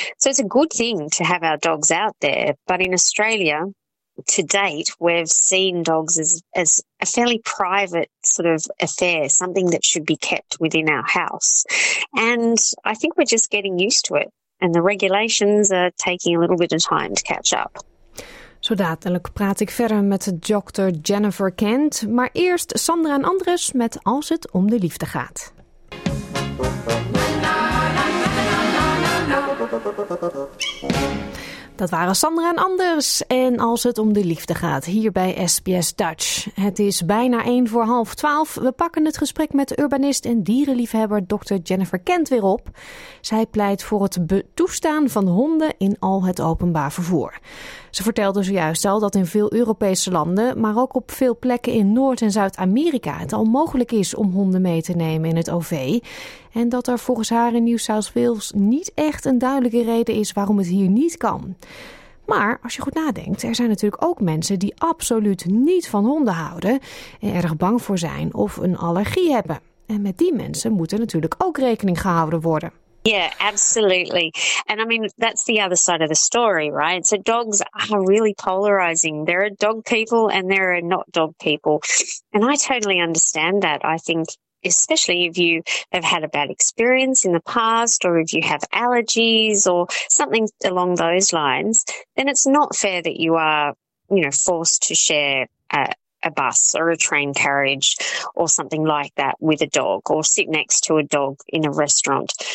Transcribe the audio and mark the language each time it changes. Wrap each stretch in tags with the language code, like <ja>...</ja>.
<en>So it's a good thing to have our dogs out there. But in Australia, to date, we've seen dogs as a fairly private sort of affair, something that should be kept within our house. And I think we're just getting used to it. And the regulations are taking a little bit of time to catch up.</en> <nl>Zo dadelijk praat ik verder met Dr. Jennifer Kent. Maar eerst Sandra en Andres met Als het om de liefde gaat. Dat waren Sandra en Anders en Als het om de liefde gaat hier bij SBS Dutch. Het is bijna 11:55. We pakken het gesprek met urbanist en dierenliefhebber Dr. Jennifer Kent weer op. Zij pleit voor het toestaan van honden in al het openbaar vervoer. Ze vertelde zojuist al dat in veel Europese landen, maar ook op veel plekken in Noord- en Zuid-Amerika het al mogelijk is om honden mee te nemen in het OV. En dat er volgens haar in New South Wales niet echt een duidelijke reden is waarom het hier niet kan. Maar als je goed nadenkt, er zijn natuurlijk ook mensen die absoluut niet van honden houden en erg bang voor zijn of een allergie hebben. En met die mensen moet er natuurlijk ook rekening gehouden worden.</nl> <en>Yeah, absolutely. And I mean, that's the other side of the story, right? So dogs are really polarizing. There are dog people and there are not dog people. And I totally understand that. I think especially if you have had a bad experience in the past or if you have allergies or something along those lines, then it's not fair that you are, you know, forced to share a bus or a train carriage or something like that with a dog or sit next to a dog in a restaurant.</en>